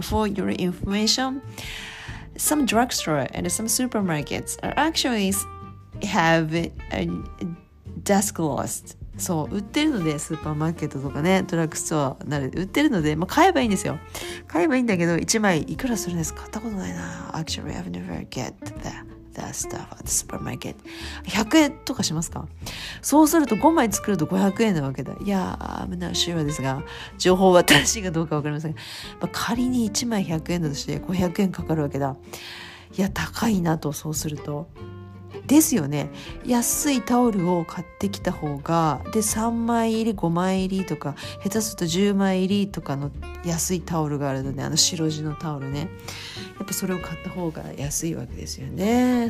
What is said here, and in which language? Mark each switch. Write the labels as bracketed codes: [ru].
[en] For your information some drugstore and some supermarkets are actuallyhave a dust cloth. [ja] そう売ってるので、スーパーマーケットとかね、ドラッグストアなど売ってるので、まあ、買えばいいんですよ。買えばいいんだけど、1枚いくらするんですか。買ったことないな。 [en] Actually, I've never get the stuff at the supermarket. [ja] 100円とかしますか。そうすると5枚作ると500円なわけだ。いやー、 [en] I'm not sure [ja] ですが、情報は正しいかどうかわかりませんが、まあ、仮に1枚100円だとして500円かかるわけだ。いや、高いなと、そうすると。ですよね。安いタオルを買ってきた方が、で3枚入り5枚入りとか、下手すると10枚入りとかの安いタオルがあるので、あの白地のタオルね、やっぱそれを買った方が安いわけですよね。